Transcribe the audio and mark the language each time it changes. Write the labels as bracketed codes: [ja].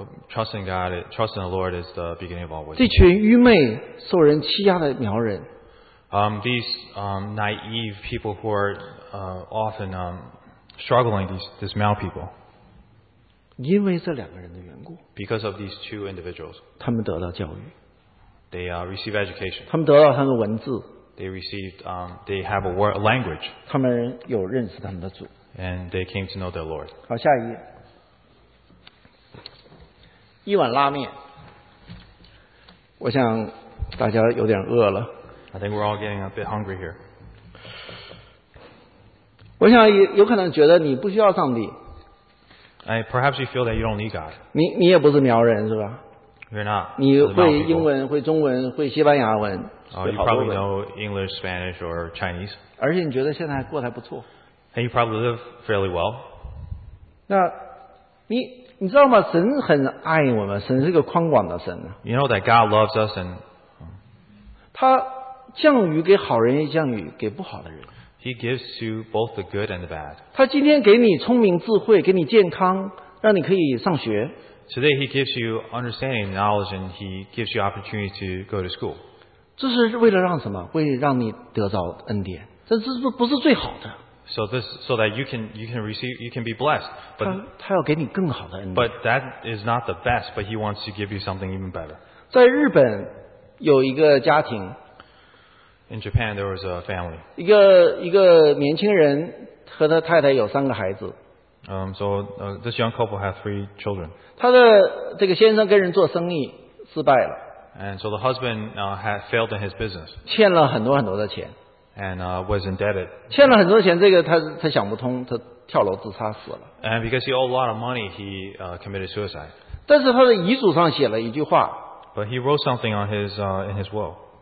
[en] Trusting God, trusting the Lord is the beginning of all wisdom. [zh] 这群愚昧受人欺压的苗人。 [en] Naive people who are often struggling, these male people. [zh] 因为这两个人的缘故, [en] because of these two individuals, [zh] 他们得到教育, [en] they receive education. [zh] 他们得到他们的文字, [en] they received, they have a language. [zh] 他们有认识他们的主, [en] and they came to know their Lord. [zh] 好, 下一页, 一碗拉面, 我想大家有点饿了。 [en] I think we're all getting a bit hungry here. [zh] 我想有可能觉得你不需要上帝。 [en] Perhaps you feel that you don't need God. [zh] 你也不是苗人是吧？ [en] You're not. [zh] 你会英文，会中文，会西班牙文。 [en] You probably know English, Spanish, or Chinese. [zh] 而且你觉得现在过得还不错。 [en] And you probably live fairly well. [zh] 那你知道吗？神很爱我们，神是个宽广的神。 [en] You know that God loves us and [zh] 他 降雨给好人，也降雨给不好的人。 [en] He gives to both the good and the bad. [zh] 他今天给你聪明智慧，给你健康，让你可以上学。 [en] Today he gives you understanding, knowledge, and he gives you opportunity to go to school. [zh] 这是为了让什么？为了让你得到恩典。这不是最好的。 [en] So that you can be blessed. But that is not the best, but he wants to give you something even better. [zh] 在日本有一个家庭, [en] In Japan, there was a family. [zh] 一个年轻人和他太太有三个孩子。 [en] This young couple had three children. [zh] 他的这个先生跟人做生意失败了。And [en] so the husband had failed in his business. [zh] 欠了很多很多的钱。 [en] And was indebted. [zh] 欠了很多钱，这个他想不通，他跳楼自杀死了。 [en] And because he owed a lot of money, he committed suicide. [zh] 但是他的遗嘱上写了一句话。But [en] he wrote something on his in his will.